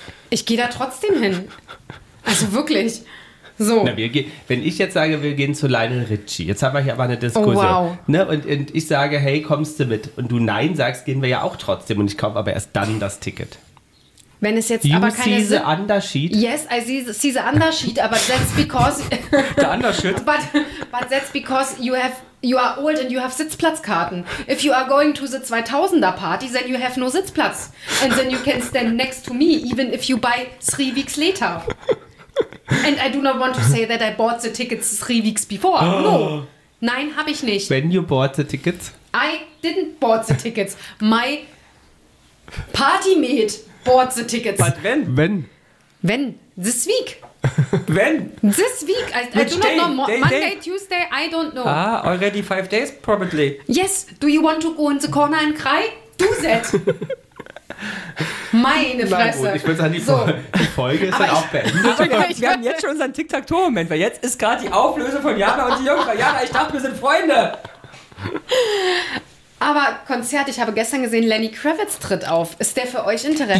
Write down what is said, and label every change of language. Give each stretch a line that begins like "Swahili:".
German: Ich gehe da trotzdem hin. Also wirklich. So. Na, wenn ich jetzt sage, wir gehen zu Lionel Richie, jetzt haben wir hier aber eine Diskussion. Oh, wow. Ne? Und ich sage, hey, kommst du mit? Und du Nein sagst, gehen wir ja auch trotzdem. Und ich kaufe aber erst dann das Ticket. Wenn es jetzt aber keine...
English: You see the Undersheet? Yes, I see the Undersheet, aber that's because... The Undersheet? But that's because you are old and you have Sitzplatzkarten. If you are going to the 2000er Party, then you have no Sitzplatz. And then you can stand next to me, even if you buy 3 weeks later. And I do not want to say that I bought the tickets 3 weeks before. Oh. No.
German: Nein, habe ich nicht.
English: When you bought the tickets? I didn't bought the tickets. My partymate bought the tickets. But when? When? When? This week. When? This week. I do not know. Monday, Tuesday, I don't know. Ah, already 5 days probably. Yes. Do you want to go in the corner and cry? Do that.
German: Meine Fresse. Ich würde sagen, die Folge ist aber dann auch beendet. Aber wir haben jetzt schon unseren Tic-Tac-Toe-Moment, weil jetzt ist gerade die Auflösung von Jana und die Jungfrau. Jana, ich dachte, wir sind Freunde. Aber Konzert, ich habe gestern gesehen, Lenny Kravitz tritt auf. Ist der für euch interessant?